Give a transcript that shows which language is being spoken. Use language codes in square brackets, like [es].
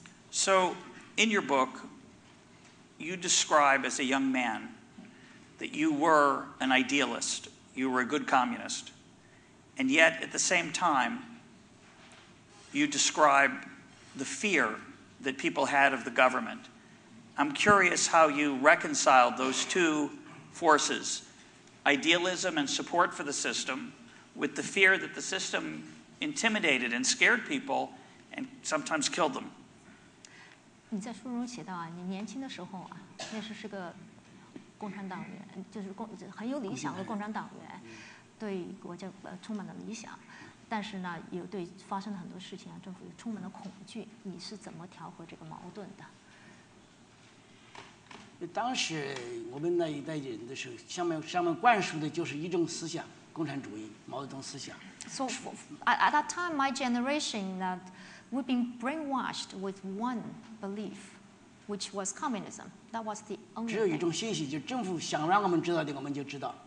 [en] So, in your book, you describe as a young man that you were an idealist, you were a good communist, and yet at the same time, you describe the fear that people had of the government. I'm curious how you reconciled those two forces, idealism and support for the system, with the fear that the system intimidated and scared people and sometimes killed them. [zh] 你在书中写到啊，你年轻的时候啊，那时是个共产党员，就是很有理想的共产党员，对国家充满了理想。但是呢，有对发生的很多事情啊，政府又充满了恐惧。你是怎么调和这个矛盾的？当时我们那一代人的时候，上面灌输的就是一种思想，共产主义、毛泽东思想。 [en] So at that time, my generation that we've been brainwashed with one belief, which was communism. That was the only. [zh] 只有一种信息，就政府想让我们知道的，我们就知道。